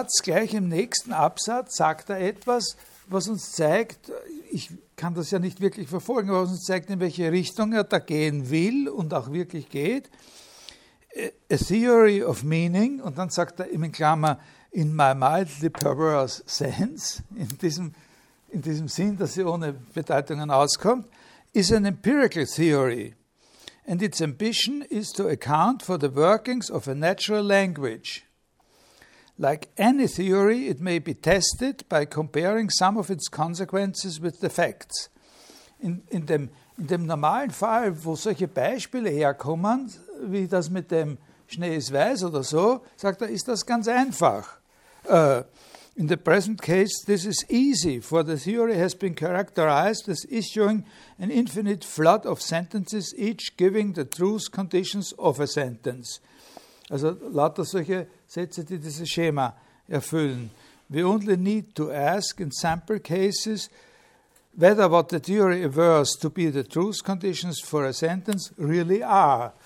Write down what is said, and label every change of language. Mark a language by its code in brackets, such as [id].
[de] Im nächsten Absatz sagt er etwas, was uns zeigt, ich kann das ja nicht wirklich verfolgen, aber was uns zeigt, in welche Richtung er da gehen will und auch wirklich geht. [en] A theory of meaning, [de] und dann sagt er im Klammer, [en] in my mildly perverse sense, [de] in diesem Sinn, dass sie ohne Bedeutungen auskommt, [en] is an empirical theory, and its ambition is to account for the workings of a natural language. Like any theory, it may be tested by comparing some of its consequences with the facts. [de] In dem normalen Fall, wo solche Beispiele herkommen, wie das mit dem Schnee ist weiß oder so, sagt er, ist das ganz einfach. [en] In the present case, this is easy, for the theory has been characterized as issuing an infinite flood of sentences, each giving the truth conditions of a sentence. [de] Also lauter solche Sätze, die dieses Schema erfüllen. [en] We only need to ask in sample cases whether what the theory aversed to be the truth conditions for a sentence really are.